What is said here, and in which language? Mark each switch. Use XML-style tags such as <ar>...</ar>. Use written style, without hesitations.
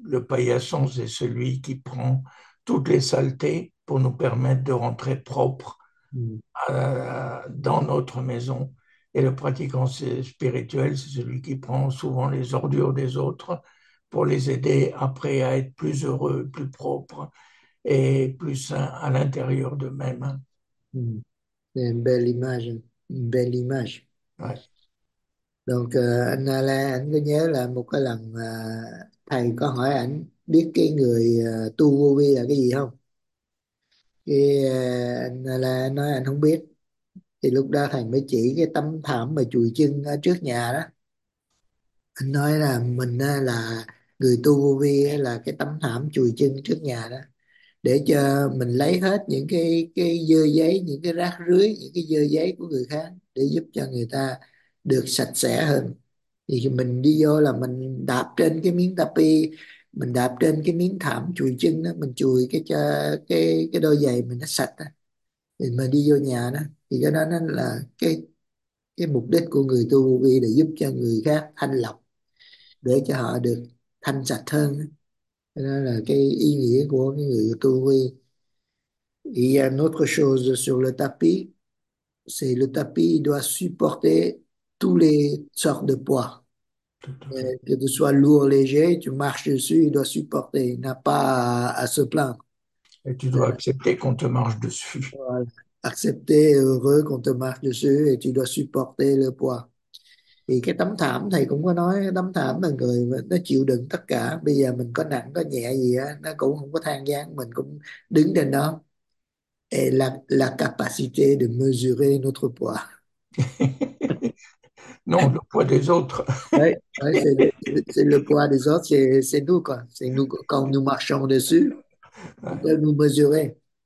<fr>Le paillasson, c'est celui qui prend toutes les saletés pour nous permettre de rentrer propre dans notre maison. Et le pratiquant spirituel, c'est celui qui prend souvent les ordures des autres pour les aider après à être plus heureux, plus propres et plus sains à l'intérieur d'eux-mêmes. C'est une belle image. Ouais.</fr> <vi>Donc anh Alain, anh có nhớ là một cái lần thầy có hỏi anh biết cái người tu vô vi là cái gì không? Cái anh Alain nói anh không biết. Thì lúc đó thầy mới chỉ cái tấm thảm mà chùi chân ở trước nhà đó. Anh nói là mình là người tu vô vi là cái tấm thảm chùi chân trước nhà đó. Để cho mình lấy hết những cái dơ giấy, những cái rác rưởi, những cái dơ giấy của người khác để giúp cho người ta được sạch sẽ hơn. Thì mình đi vô là mình đạp trên cái miếng tapi, mình đạp trên cái miếng thảm chùi chân đó, mình chùi cái đôi giày mình nó sạch đó. Thì mình đi vô nhà đó thì cái đó nó là cái mục đích của người tu vi là giúp cho người khác thanh lọc để cho họ được thanh sạch hơn. Đó là cái ý nghĩa của cái người tu vi.</vi> <fr>Il y a une autre chose sur le tapis, c'est le tapis doit supporter toutes les sortes de poids. Tout Que tu sois lourd, léger, tu marches dessus, il doit supporter, il n'a pas à se plaindre. à fait. Et tu dois accepter qu'on te marche dessus. Voilà. Accepter, heureux qu'on te marche dessus et tu dois supporter le poids.</fr> <vi>Thì cái tấm thảm thầy cũng có nói, cái tấm thảm là người nó chịu đựng tất cả, bây giờ mình có nặng có nhẹ gì á nó cũng không có than vãn, mình cũng đứng trên đó.</vi> <fr>Et la capacité de mesurer notre poids. Non, le poids des autres. Ouais, c'est le poids des autres, c'est nous quoi. C'est nous quand nous marchons dessus, on peut nous mesurer.</fr>